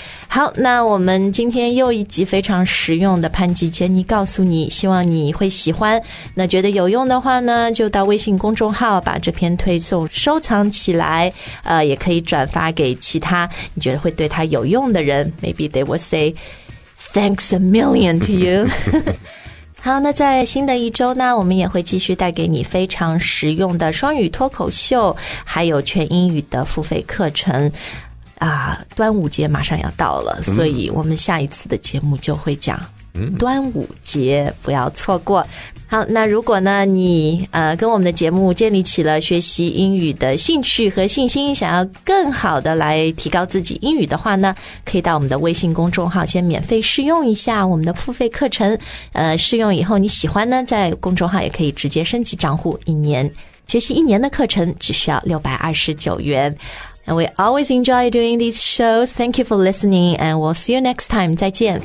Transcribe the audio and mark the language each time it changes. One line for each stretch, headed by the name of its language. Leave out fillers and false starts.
Chinese: 好，那我们今天又一集非常实用的潘吉杰尼告诉你，希望你会喜欢。那觉得有用的话呢，就到微信公众号把这篇推送收藏起来，也可以转发给其他你觉得会对他有用的人。
English: Maybe they will say thanks a million to you.
Chinese: 好，那在新的一周呢，我们也会继续带给你非常实用的双语脱口秀，还有全英语的付费课程。端午节马上要到了、所以我们下一次的节目就会讲端午节、不要错过。好，那如果呢你跟我们的节目建立起了学习英语的兴趣和信心，想要更好的来提高自己英语的话呢，可以到我们的微信公众号先免费试用一下我们的付费课程，试用以后你喜欢呢，在公众号也可以直接升级账户，一年学习一年的课程只需要629元。
English: And we always enjoy doing these shows. Thank you for listening, and we'll see you next time.
Chinese: 再见。